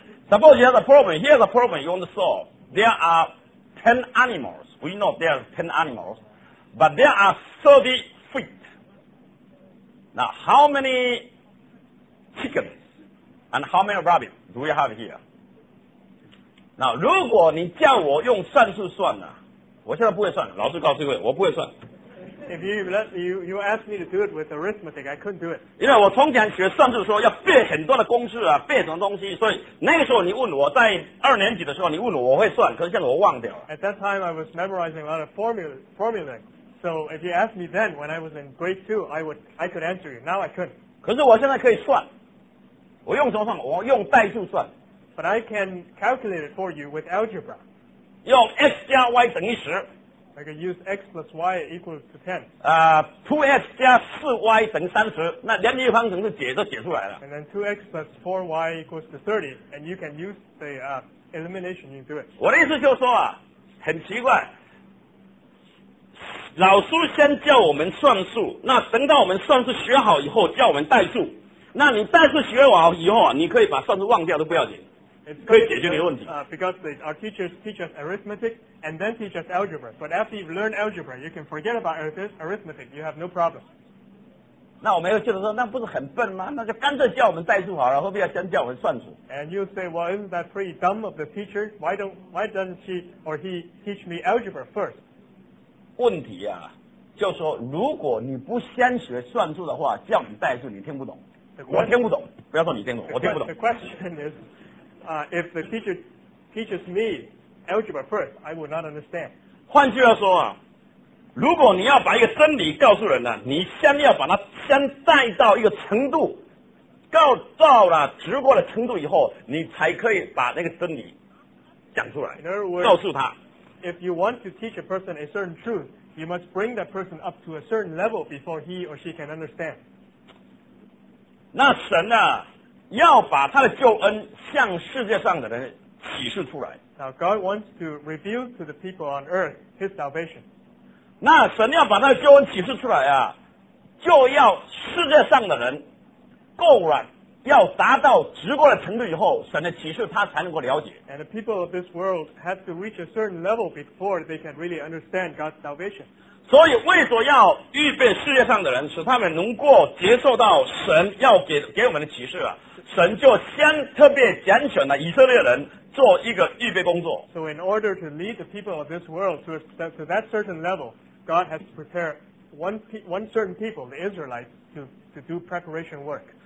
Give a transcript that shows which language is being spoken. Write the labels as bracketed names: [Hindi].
[English] Suppose you have a problem. Here's a problem you want to solve. There are 10 animals. We know there are 10 animals. But there are 30 feet. Now, how many chickens and how many rabbits do we have here? [Chinese] Now, 如果你叫我用算术算呢、啊我现在不会算，老师告诉我，我不会算。 [English] If you ask me to do it with arithmetic, I couldn't do it. [Chinese] 因为我从前学算术的时候要背很多的公式啊，背什么东西，所以那个时候你问我在二年级的时候你问我，我会算，可是现在我忘掉了。 [English] At that time, I was memorizing a lot of formulas. So if you asked me then when I was in grade two, I could answer you. Now I couldn't. [Chinese] 可是我现在可以算，我用什么算？我用代数算。 [English] But I can calculate it for you with algebra. [Chinese] 用 x 加 y 等于十。 [English] I can use x plus y equals to 10. [Chinese] 2x 加 4y 等于30，那两立方程就解出来了。 [English] And then 2x plus 4y equals to 30, and you can use the elimination to do it. [Chinese] 我的意思就是说啊，很奇怪，老师先教我们算术，那等到我们算术学好以后，教我们代数，那你代数学好以后啊，你可以把算术忘掉都不要紧。可以解决你的问题。 [English] Because our teachers teach us arithmetic and then teach us algebra. But after you've learned algebra, you can forget about arithmetic. You have no problem. [Chinese] 那我们又接着说，那不是很笨吗？那就干脆教我们代数好了，何必要先教我们算术 [English] ？And you say, well, isn't that pretty dumb of the teacher? Why doesn't she or he teach me algebra first? [Chinese] 问题啊，就说如果你不先学算术的话，教你代数你听不懂。我听不懂，不要说你听懂，我听不懂。 [English] The question is. If the teacher teaches me algebra first, I will not understand. [Chinese] 换句话说啊，如果你要把一个真理告诉人呢、啊，你先要把它先带到一个程度，告到了直过的程度以后，你才可以把那个真理讲出来， [English] In other words, [Chinese] 告诉他。 [English] If you want to teach a person a certain truth, you must bring that person up to a certain level before he or she can understand. [Chinese] 那神啊。要把他的救恩向世界上的人启示出来。 [English] Now God wants to reveal to the people on earth His salvation. [Chinese] 那神要把他的救恩启示出来啊，就要世界上的人够软，要达到直过的程度以后，神的启示他才能够了解。 [English] And the people of this world have to reach a certain level before they can really understand God's salvation. [Chinese] 所以为所要预备世界上的人使他们能够接受到神要 给我们的启示、啊、神就先特别拣选了以色列人做一个预备工作。 [English] So in order to lead the people of this world to that certain level, God has prepared one certain people, the Israelites, to do preparation work.